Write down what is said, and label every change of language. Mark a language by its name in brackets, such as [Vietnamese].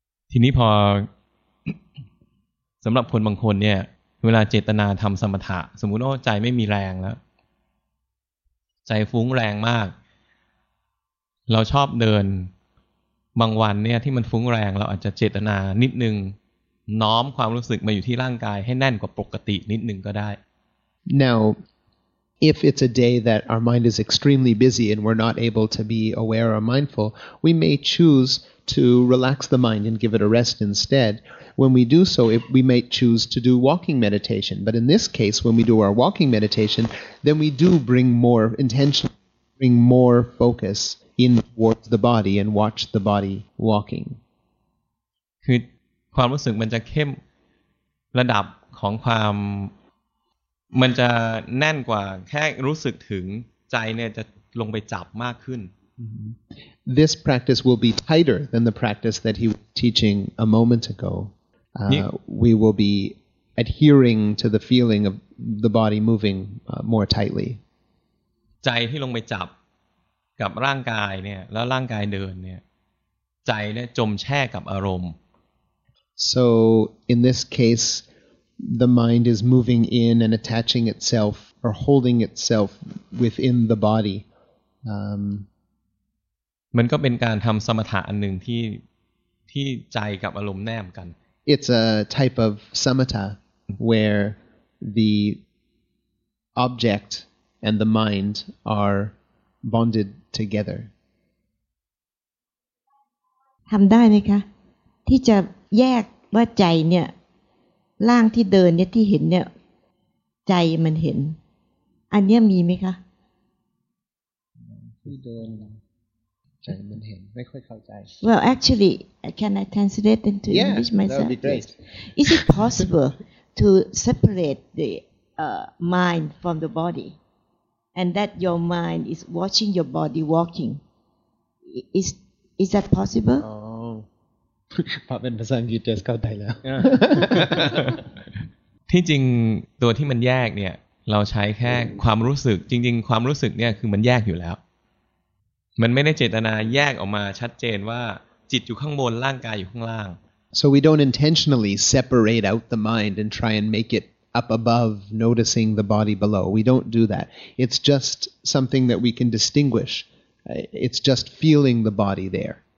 [Thai] ทีนี้พอสำหรับคนบางคนเนี่ยเวลาเจตนาทำสมถะสมมุติว่าใจไม่มีแรงแล้วใจฟุ้งแรงมากเราชอบเดินบางวันเนี่ยที่มันฟุ้งแรงเราอาจจะเจตนานิดนึงน้อมความรู้สึกมาอยู่ที่ร่างกายให้แน่นกว่าปกตินิดนึงก็ได้ [English] NowIf it's a day that our mind is extremely busy and we're not able to be aware or mindful, we may choose to relax the mind and give it a rest instead. When we do so, we may choose to do walking meditation. But in this case, when we do our walking meditation, then we do bring more intention, bring more focus in towards the body and watch the body walking. [Thai] คือความรู้สึกมันจะเข้มระดับของความมันจะแน่นกว่าแค่รู้สึกถึงใจเนี่ยจะลงไปจับมากขึ้น [English] This practice will be tighter than the practice that he was teaching a moment ago. We will be adhering to the feeling of the body moving more tightly. [Thai] ใจที่ลงไปจับกับร่างกายเนี่ยแล้วร่างกายเดินเนี่ยใจเนี่ยจมแช่กับอารมณ์ [English] So in this caseThe mind is moving in and attaching itself or holding itself within the body. [Thai] มันก็เป็นการทำสมถะอันหนึ่งที่ใจกับอารมณ์แนบกัน [English] It's a type of samatha where the object and the mind are bonded together. [Thai] ทำได้ไหมคะที่จะแยกว่าใจเนี่ยร่างที่เดินเนี่ยที่เห็นเนี่ยใจมันเห็นอันนี้มีไหมคะ ที่เดินใจมันเห็นไม่ค่อยเข้าใจ [English] Well actually can I translate into yeah, English myself that would be great. Is it possible to separate the mind from the body and that your mind is watching your body walking is that possible oh. [Thai] พอเป็นภาษาอังกฤษเข้าใจแล้ว ที่จริงตัวที่มันแยกเนี่ยเราใช้แค่ความรู้สึกจริงๆความรู้สึกเนี่ยคือมันแยกอยู่แล้วมันไม่ได้เจตนาแยกออกมาชัดเจนว่าจิตอยู่ข้างบนร่างกายอยู่ข้างล่าง [English] So we don't intentionally separate out the mind and try and make it up above noticing the body below we don't do that it's just something that we can distinguish it's just feeling the body there